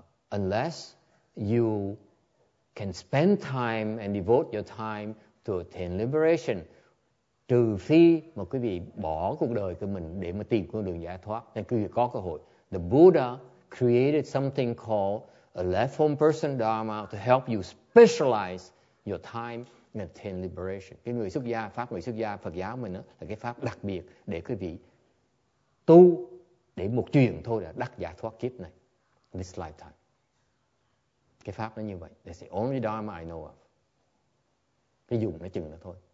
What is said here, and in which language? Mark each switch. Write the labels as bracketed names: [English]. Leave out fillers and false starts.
[English] Unless you can spend time and devote your time to attain liberation. [Vietnamese] Trừ phi mà quý vị bỏ cuộc đời của mình để mà tìm con đường giải thoát, nên quý vị có cơ hội. [English] The Buddha created something called a left-home person dharma to help you specialize your time in attain liberation. [Vietnamese] Cái người xuất gia, pháp người xuất gia Phật giáo mình đó, là cái pháp đặc biệt để quý vị tu để một chuyện thôi là đắc giải thoát kiếp này, [English] this lifetime. [Vietnamese] Cái pháp nó như vậy. [English] That's the only Dharma I know of. [Vietnamese] Nó dùng nó chừng là thôi.